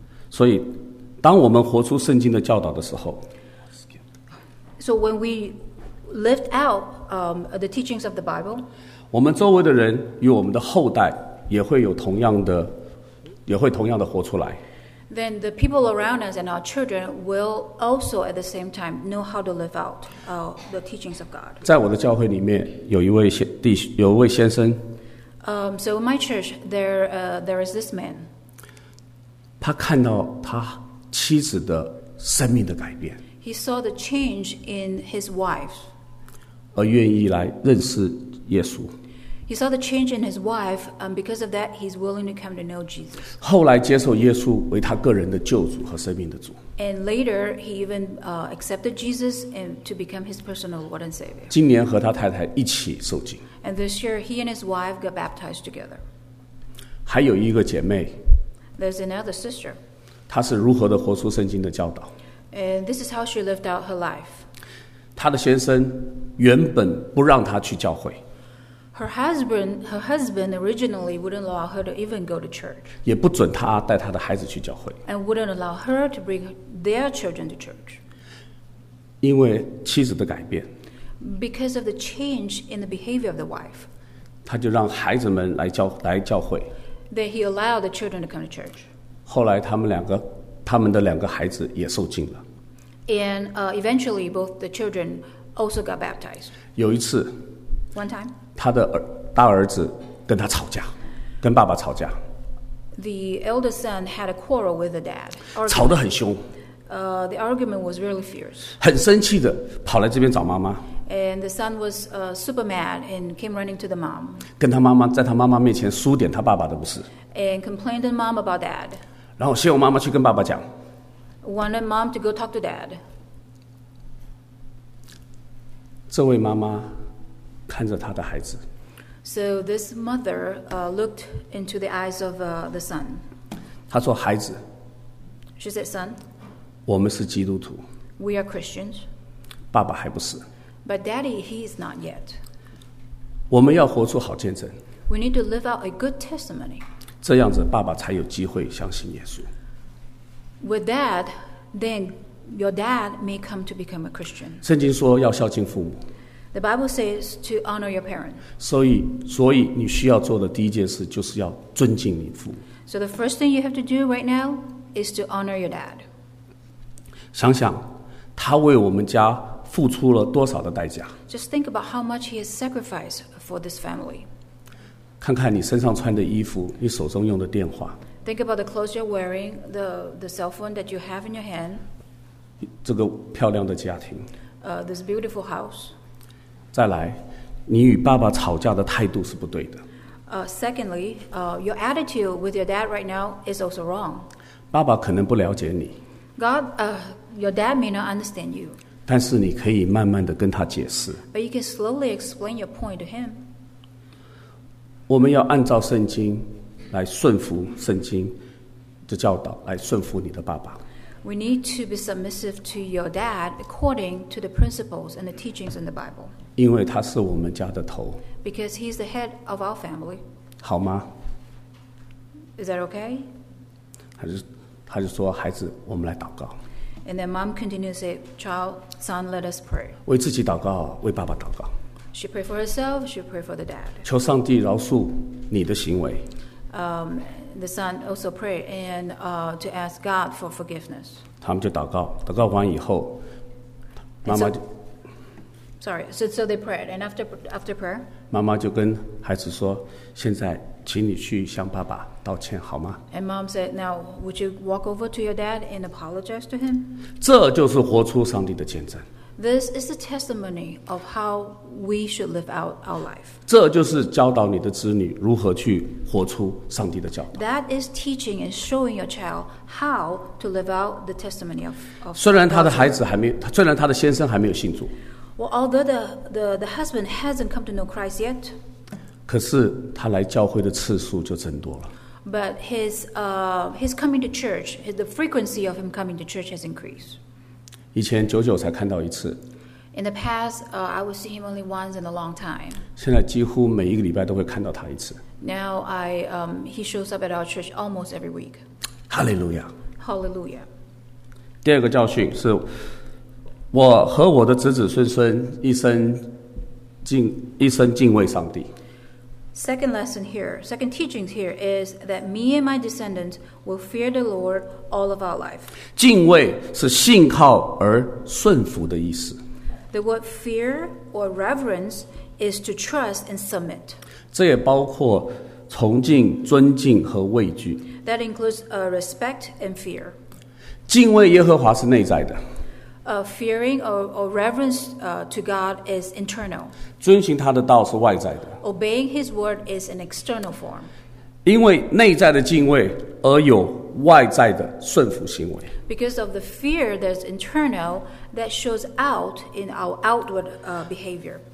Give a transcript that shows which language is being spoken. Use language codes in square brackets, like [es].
[zh] 所以，当我们活出圣经的教导的时候 [en] ，So when we lived out the teachings of the Bible. [zh] 我们周围的人与我们的后代也会有同样的，也会同样的活出来。 [en] Then the people around us and our children will also at the same time know how to live out the teachings of God. [zh] 在我的教会里面有一位先生。 [en] So in my church there is this man. [zh] 他看到他妻子的生命的改变。 [en] He saw the change in his wife. [zh] 而愿意来认识耶稣。 [en] He saw the change in his wife, and because of that, he's willing to come to know Jesus. [zh] 后来接受耶稣为他个人的救主和生命的主。 [en] And later, he even accepted Jesus and to become his personal Lord and Savior. [zh] 今年和他太太一起受浸。 [en] And this year, he and his wife got baptized together. [zh] 还有一个姐妹。 [en] There's another sister. [zh] 她是如何的活出圣经的教导。 [en] And this is how she lived out her life. [zh] 她的先生原本不让她去教会。 [en] Her husband originally wouldn't allow her to even go to church. [zh] 也不准她带她的孩子去教会。 [en] And wouldn't allow her to bring their children to church. [zh] 因为妻子的改变。 [en] Because of the change in the behavior of the wife. [zh] 她就让孩子们来教会。 [en] Then he allowed the children to come to church. [zh] 后来他们的两个孩子也受浸了。 [en] And eventually, both the children also got baptized. [zh] 有一次 [en] One time, [zh] 他的大儿子跟他吵架，跟爸爸吵架。 [en] The eldest son had a quarrel with the dad. [zh] 吵得很凶。 [en] The argument was really fierce. [zh] 很生气的跑来这边找妈妈。 [en] And the son was super mad and came running to the mom. [zh] 跟他妈妈在他妈妈面前输点他爸爸的不是。 [en] And complained to mom about dad. [zh] 然后希望妈妈去跟爸爸讲。 [en] Wanted mom to go talk to dad. [zh] 这位妈妈看着她的孩子。 [en] So this mother looked into the eyes of the son. [zh] 她说：“孩子。” [en] She said, "Son." [zh] 我们是基督徒。 [en] We are Christians. [zh] 爸爸还不是。 [en] But daddy, he is not yet. [zh] 我们要活出好见证。 [en] We need to live out a good testimony. [zh] 这样子，爸爸才有机会相信耶稣。 [en] With that, then your dad may come to become a Christian. [zh] 圣经说要孝敬父母。 [en] The Bible says to honor your parents. [zh] 所以你需要做的第一件事就是要尊敬你父母。 [en] So the first thing you have to do right now is to honor your dad. [zh] 想想他为我们家付出了多少的代价。 [en] Just think about how much he has sacrificed for this family. [zh] 看看你身上穿的衣服，你手中用的电话。 [en] Think about the clothes you're wearing, the cell phone that you have in your hand. [zh] 这个漂亮的家庭。 [en] This beautiful house. [zh] 再来，你与爸爸吵架的态度是不对的。 [en] Secondly, your attitude with your dad right now is also wrong. [zh] 爸爸可能不了解你。 [en] God, your dad may not understand you. [zh] 但是你可以慢慢地跟他解释。 [en] But you can slowly explain your point to him. [zh] 我们要按照圣经来顺服圣经的教导，来顺服你的爸爸。 [en] We need to be submissive to your dad according to the principles and the teachings in the Bible. [zh] 因为他是我们家的头。 [en] Because he's the head of our family. [zh] 好吗？ [en] Is that okay? [zh] 他就说，孩子，我们来祷告。 [en] And then mom continues to say, child, son, let us pray. [zh] 为自己祷告，为爸爸祷告。 [en] She prayed for herself, she prayed for the dad. [zh] 求上帝饶恕你的行为。 [en] The son also prayed and to ask God for forgiveness. [zh] 他们就祷告，祷告完以后，妈妈就 [en] So they prayed, and after prayer, [zh] 妈妈就跟孩子说，现在请你去向爸爸道歉，好吗？ [en] And mom said, now would you walk over to your dad and apologize to him? [zh] 这就是活出上帝的见证。 [en] This is the testimony of how we should live out our life. [zh] 这就是教导你的子女如何去活出上帝的教导。 [en] That is teaching and showing your child how to live out the testimony of. [zh] 虽然他的孩子还没有，虽然他的先生还没有信主。 [en] Well, although the husband hasn't come to know Christ yet. [zh] 可是他来教会的次数就增多了。 [en] But his coming to church, the frequency of him coming to church has increased. [zh] 以前久久才看到一次。 [en] In the past, I would see him only once in a long time. [zh] 现在几乎每一个礼拜都会看到他一次。 [en] Now he shows up at our church almost every week. Hallelujah. Hallelujah. [zh] 第二个教训是，我和我的子子孙孙一生敬畏上帝。 [en] Second lesson here, second teaching here is that me and my descendants will fear the Lord all of our life. [zh] 敬畏是信靠而顺服的意思。 [en] The word fear or reverence is to trust and submit. [zh] 这也包括崇敬、尊敬和畏惧。 [en] That includes respect and fear. [zh] 敬畏耶和华是内在的。 [en] Fearing or reverence to God is internal. [zh] 遵循他的道是外在的。 [en] Obeying His word is an external form. [zh] 因为内在的敬畏而有外在的顺服行为。 [en] Because of the fear that's internal, that shows out in our outward behavior.